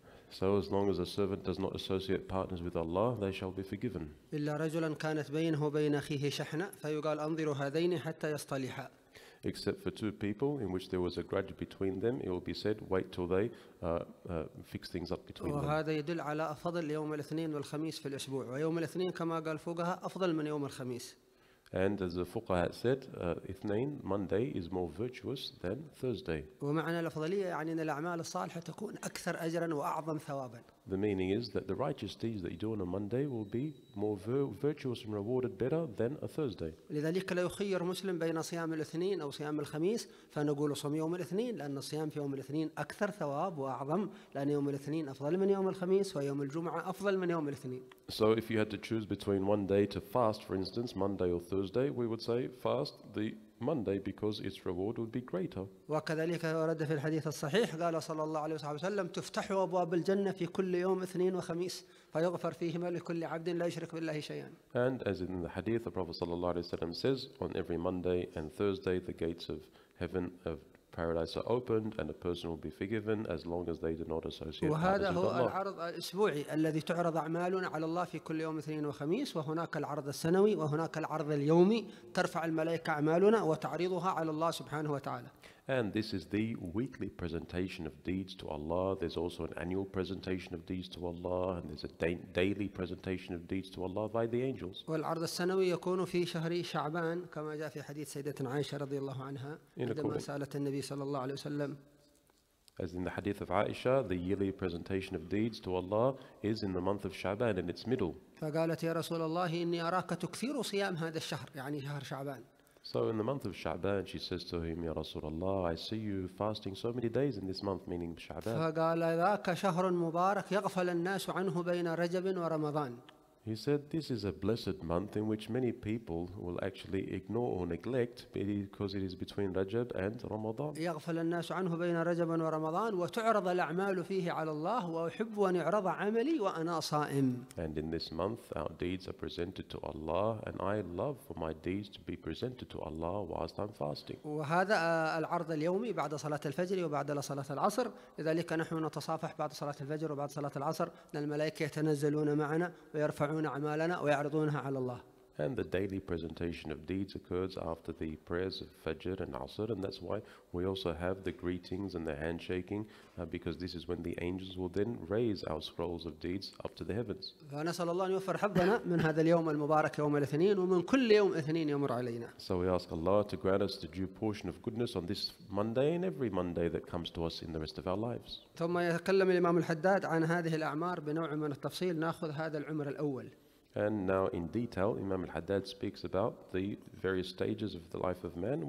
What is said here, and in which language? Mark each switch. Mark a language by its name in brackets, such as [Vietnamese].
[English] So as long as a servant does not associate partners with Allah, they shall be forgiven. [Arabic] إلا رجلا كانت بينه وبين أخيه شحنة فيقال أنظر هذين حتى يصطلحا. [English] Except for two people in which there was a grudge between them, it will be said, wait till they fix things up between them. [Arabic] وهذا يدل على أفضل يوم الاثنين والخميس في الأسبوع. ويوم الاثنين كما قال فوقها أفضل من يوم الخميس. [English] And as the fuqaha said, اثنين, Monday is more virtuous than Thursday. [Arabic] ومعنى الأفضلية يعني أن الأعمال الصالحة تكون أكثر أجراً وأعظم ثواباً. [English] The meaning is that the righteous deeds that you do on a Monday will be more virtuous and rewarded better than a Thursday. [Arabic] لذلك لو خير مسلم بين صيام الاثنين أو صيام الخميس فنقول صوم يوم الاثنين لأن الصيام في يوم الاثنين أكثر ثواب وأعظم لأن يوم الاثنين أفضل من يوم الخميس ويوم الجمعة أفضل من يوم الاثنين. [English] So if you had to choose between one day to fast, for instance, Monday or Thursday, we would say fast the Monday because its reward would be greater. [Arabic] وكذلك ورد في الحديث الصحيح قال صلى الله عليه وسلم تفتح أبواب الجنة في كل يوم اثنين وخميس فيغفر فيهما لكل عبد لا يشرك بالله شيئا. [English] And as in the hadith, the Prophet [Arabic] صلى الله عليه وسلم [English] says, on every Monday and Thursday, the gates of heaven of paradise are opened, and a person will be forgiven as long as they do not associate. [Arabic] وهذا هو العرض الأسبوعي الذي تعرض أعمالنا على الله في كل يوم اثنين وخميس، وهناك العرض السنوي، وهناك العرض اليومي ترفع الملائكة أعمالنا وتعرضها على الله سبحانه وتعالى. [English] And this is the weekly presentation of deeds to Allah. There's also an annual presentation of deeds to Allah, and there's a daily presentation of deeds to Allah by the angels. [Arabic] والعرض السنوي يكون في شهر شعبان كما جاء في حديث سيدتنا عائشة رضي الله عنها عندما سألت النبي صلى الله عليه وسلم. [English] As in the hadith of Aisha, the yearly presentation of deeds to Allah is in the month of Shaban, in its middle. [Arabic] فقالت يا رسول الله إني أراك تكثر صيام هذا الشهر يعني شهر شعبان. [English] So in the month of Sha'ban, she says to him, Ya Rasulullah, I see you fasting so many days in this month, meaning Sha'ban. [Arabic] فقال ذاك شهر مبارك يغفل الناس عنه بين رجب ورمضان. [English] He said, this is a blessed month in which many people will actually ignore or neglect because it is between Rajab and Ramadan. [Arabic] يغفل الناس عنه بين رجب ورمضان وتعرض الأعمال فيه على الله وأحب أن يعرض عملي وأنا صائم. [English] And in this month, our deeds are presented to Allah and I love for my deeds to be presented to Allah whilst I'm fasting. [Arabic] وهذا العرض اليومي بعد صلاة الفجر وبعد صلاة العصر. لذلك نحن نتصافح بعد صلاة الفجر وبعد صلاة العصر أن الملائكة يتنزلون معنا ويرفعون أعمالنا ويعرضونها على الله. [English] And the daily presentation of deeds occurs after the prayers of Fajr and Asr, and that's why we also have the greetings and the handshaking, because this is when the angels will then raise our scrolls of deeds up to the heavens. [Arabic] فنسأل الله أن يوفر حظنا من هذا اليوم المبارك يوم الاثنين ومن كل يوم اثنين يمر علينا. [English] So we ask Allah to grant us the due portion of goodness on this Monday and every Monday that comes to us in the rest of our lives. [Arabic] ثم يتكلم الإمام الحداد عن هذه الأعمار بنوع من التفصيل. نأخذ هذا العمر الأول. [English] And now in detail, Imam al-Haddad speaks about the various stages of the life of man.